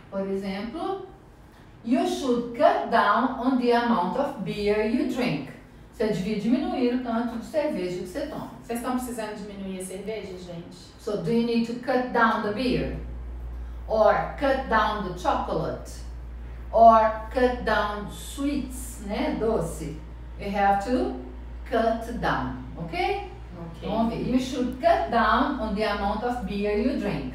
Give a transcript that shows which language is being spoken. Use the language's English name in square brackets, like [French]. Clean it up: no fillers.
[Portuguese] Por exemplo, [English] you should cut down on the amount of beer you drink. [Portuguese] Você devia diminuir o tanto de cerveja que você toma. Vocês estão precisando diminuir a cerveja, gente? [English] So, do you need to cut down the beer? Or cut down the chocolate? Or cut down sweets, [Portuguese] né? Doce. [English] You have to cut down, ok? Okay. You should cut down on the amount of beer you drink.